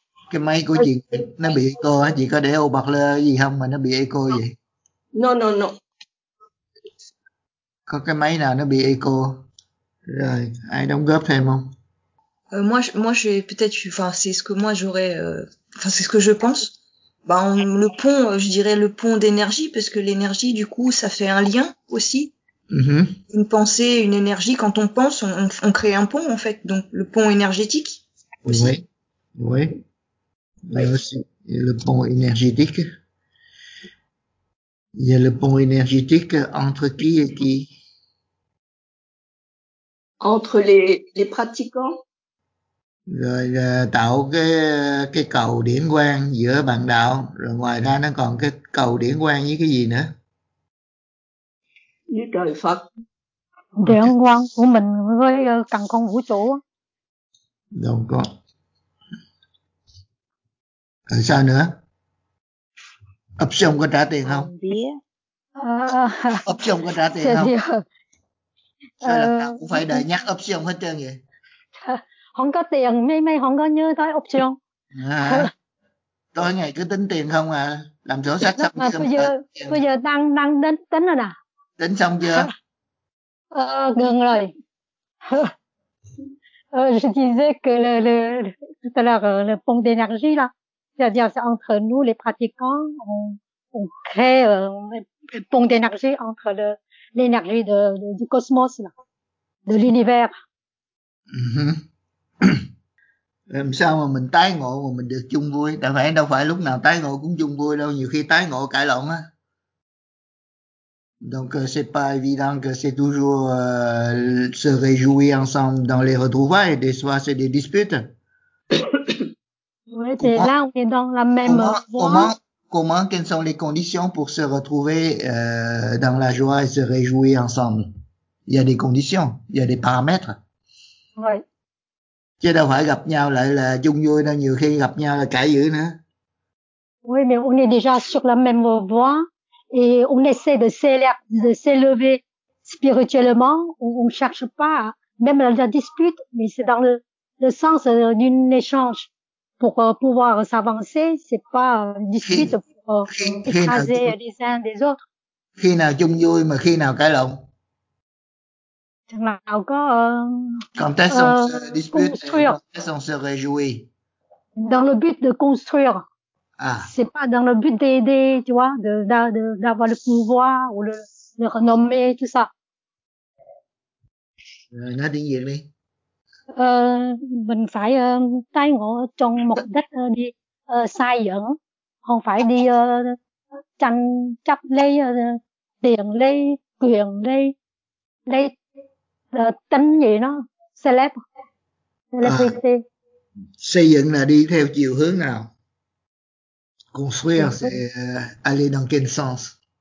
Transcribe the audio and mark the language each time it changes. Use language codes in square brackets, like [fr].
[vi] Cái máy của chị nó bị echo hả? Chị có để ô bật lơ gì không mà nó bị echo vậy? [en] No. [vi] Có cái máy nào nó bị echo? Rồi, ai đóng góp thêm không? [fr] Moi j'ai peut-être, enfin c'est ce que moi j'aurais, enfin c'est ce que je pense. Ben, le pont, je dirais le pont d'énergie, parce que l'énergie, du coup, ça fait un lien aussi. Mm-hmm. Une pensée, une énergie, quand on pense, on crée un pont, en fait. Donc, le pont énergétique aussi. Oui, oui. Mais aussi, il y a le pont énergétique. Il y a le pont énergétique entre qui et qui? Entre les pratiquants. [vi] Rồi tạo cái cầu điển quang giữa bạn đạo, rồi ngoài ra nó còn cái cầu điển quang với cái gì nữa? Với trời Phật. Điển quang của mình với cần con vũ trụ. Đâu có. Rồi sao nữa? Option có trả tiền không? Option có trả tiền không? Sao cũng phải đợi nhắc option hết trơn vậy? Không có tiền, mấy không có nhớ tới option. À, tối ngày cứ tính tiền không à, làm sổ sách xong chưa? Bây giờ đang đến tính rồi nè. Tính xong chưa? Gần rồi. [fr] Je disais que le pont d'énergie là, c'est-à-dire entre nous les pratiquants, on crée le pont d'énergie entre l'énergie du cosmos là, de l'univers. [vi] Làm sao mà mình tái ngộ mà mình được chung vui? Tại phải đâu phải lúc nào tái ngộ cũng chung vui đâu, nhiều khi tái ngộ cãi lộn á. [fr] Donc c'est pas évident que c'est toujours se réjouir ensemble dans les retrouvailles, des fois c'est des disputes. Ouais, c'est là on est dans la même comment quelles sont les conditions pour se retrouver dans la joie et se réjouir ensemble? Il y a des conditions, il y a des paramètres. Ouais. [vi] Chứ đâu phải gặp nhau lại là chung vui đâu, nhiều khi gặp nhau là cãi dữ nữa. [fr] Oui, mais on est déjà sur la même voie et on essaie de s'élever spirituellement. On cherche pas même la dispute, mais c'est dans le sens d'un échange pour pouvoir s'avancer. C'est pas une dispute pour écraser les uns des autres. [vi] Khi nào chung vui mà khi nào cãi lộn? Chẳng nào có [fr] quand est-ce on se dispute, quand est-ce on se réjouit? Dans le but de construire. Ah. C'est pas dans le but d'aider, tu vois, d'avoir le pouvoir ou le renommée, tout ça. [vi] Nói tiếng Việt đi. Mình phải tái ngộ trong mục đích đi sai dẫn, không phải đi tranh chấp lấy tiền, lấy quyền, lấy tính gì nó celebrity. Xây dựng là đi theo chiều hướng nào? [fr] Construire, c'est aller dans quel sens?